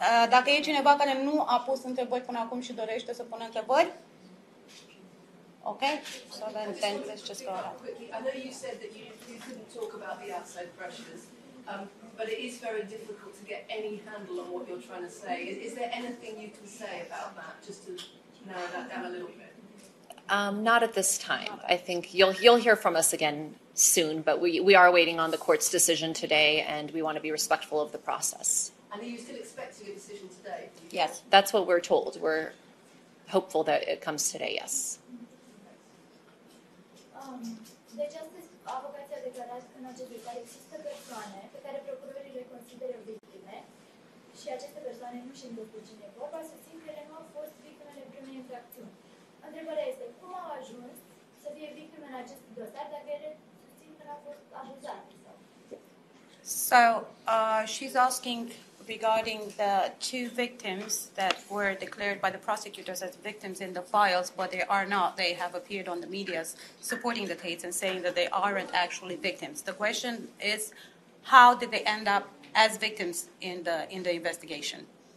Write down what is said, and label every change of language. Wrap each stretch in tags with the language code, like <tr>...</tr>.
<ro>Dacă e cineva care nu a pus întrebări până acum și dorește să pună întrebări?</ro> <en>Ok? So then let's just go around. I know you said that you couldn't talk about the outside pressures, but it is very difficult to get any handle on what you're trying to say. Is there anything you can say about that, just to narrow that down a little bit? Not at this time. I think you'll hear from us again soon, but we are waiting on the court's decision today, and we want to be respectful of the process. And are you still expecting a decision today? Yes, that's what we're told. We're hopeful that it comes today, yes.</en> <ro>De justice, avocația a declarat că în acest dosar există persoane pe care procurorii le consideră victime și aceste persoane nu știu cu cine vorba, să simt că ele nu au fost victimele primei infracțiuni. Întrebarea este, cum au ajuns să fie victime în acest dosar dacă ele susțin că nu au fost abuzate?</ro> <en>So, she's asking regarding the two victims that were declared by the prosecutors as victims in the files, but they are not. They have appeared on the media supporting the Tates and saying that they aren't actually victims. The question is, how did they end up as victims in the investigation?</en>